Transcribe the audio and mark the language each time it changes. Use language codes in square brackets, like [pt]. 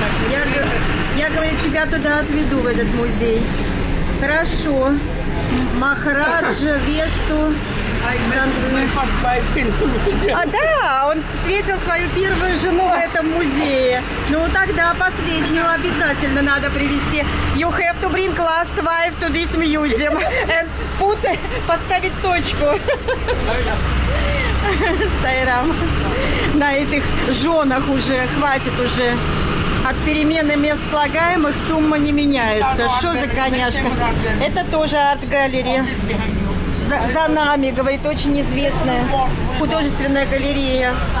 [ru] Я говорит, тебя туда отведу, в этот музей. Хорошо. Махараджа, Весту. А, да, он встретил свою первую жену в этом музее. Ну, тогда последнюю обязательно надо привезти. [en] You have to bring last wife to this museum. And put, [ru] поставить точку. Сайрам. На этих женах уже хватит уже. От перемены мест слагаемых сумма не меняется. Что за коняшка? Это тоже арт-галерея. За нами, говорит, очень известная художественная галерея.